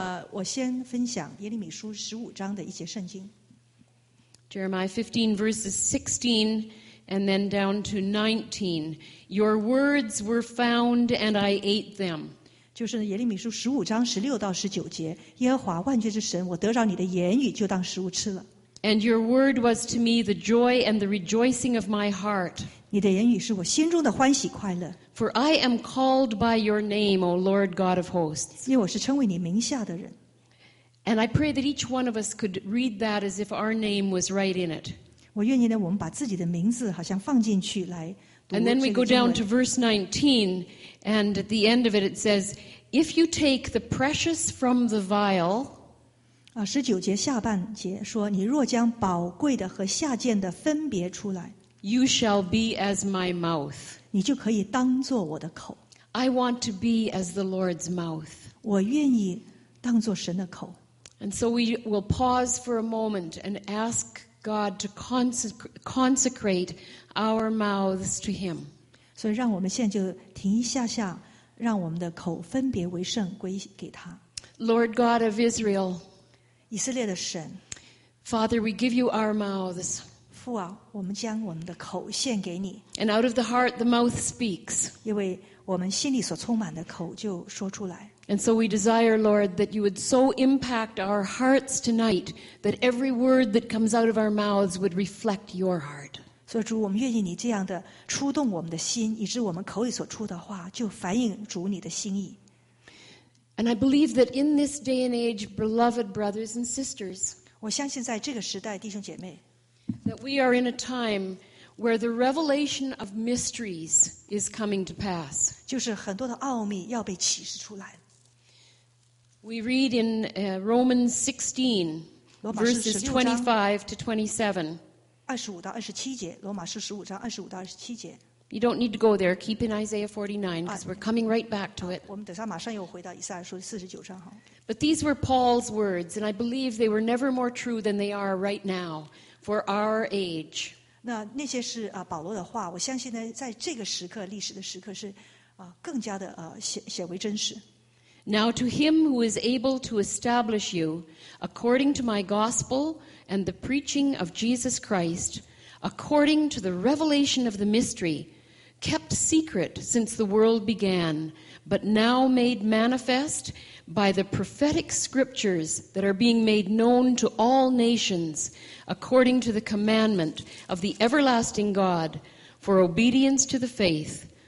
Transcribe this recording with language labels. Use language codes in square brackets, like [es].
[zh] 我先分享耶利米书十五章的一些圣经。 [en] Jeremiah 15 verses 16 and then down to 19. Your words were found and I ate them. [zh] 就是耶利米书十五章十六到十九节，耶和华万军之神，我得着你的言语，就当食物吃了。 [en] And your word was to me the joy and the rejoicing of my heart. [zh] 你的言语是我心中的欢喜快乐。 [en] For I am called by your name, O Lord God of hosts. [zh] 因为我是称为你名下的人。 [en] And I pray that each one of us could read that as if our name was right in it. [zh] 我愿意呢，我们把自己的名字好像放进去来读这个经文。 [en] And then we go down to verse 19, and at the end of it, it says, If you take the precious from the vial, [zh] 十九节下半节说，你若将宝贵的和下贱的分别出来， [en] You shall be as my mouth. [zh] 你就可以当作我的口。 [en] I want to be as the Lord's mouth. [zh] 我愿意当作神的口。 [en] And so we will pause for a moment and ask God to consecrate our mouths to Him. [zh] 所以让我们现在就停一下下，让我们的口分别为圣，归给他。 [en] Lord God of Israel, [zh] 以色列的神 [en] Father, we give you our mouths. [zh] 父啊，我们将我们的口献给你。 [en] And out of the heart, the mouth speaks. [zh] 因为我们心里所充满的口就说出来。 [en] And so we desire, Lord, that you would so impact our hearts tonight that every word that comes out of our mouths would reflect your heart. [zh] 所以主，我们愿意你这样的触动我们的心，以致我们口里所出的话就反映主你的心意。 [en] And I believe that in this day and age, beloved brothers and sisters, [zh] 我相信在这个时代，弟兄姐妹， [en] that we are in a time where the revelation of mysteries is coming to pass. [zh] 就是很多的奥秘要被启示出来。 [en] We read in Romans 16, verses 25 to 27. [zh] 25到27节，罗马书十五章二十五到二十七节。 [en] You don't need to go there. Keep in Isaiah 49 because we're coming right back to it. [zh] 我们等下马上又回到以赛亚书49章。 [en] But these were Paul's words, and I believe they were never more true than they are right now for our age. [zh] 那那些是啊保罗的话，我相信呢，在这个时刻历史的时刻是啊更加的显为真实。 [en] Now to him who is able to establish you according to my gospel and the preaching of Jesus Christ, according to the revelation of the mystery, kept secret since the world began, but now made manifest by the prophetic scriptures that are being made known to all nations, according to the commandment of the everlasting God, for obedience to the faith.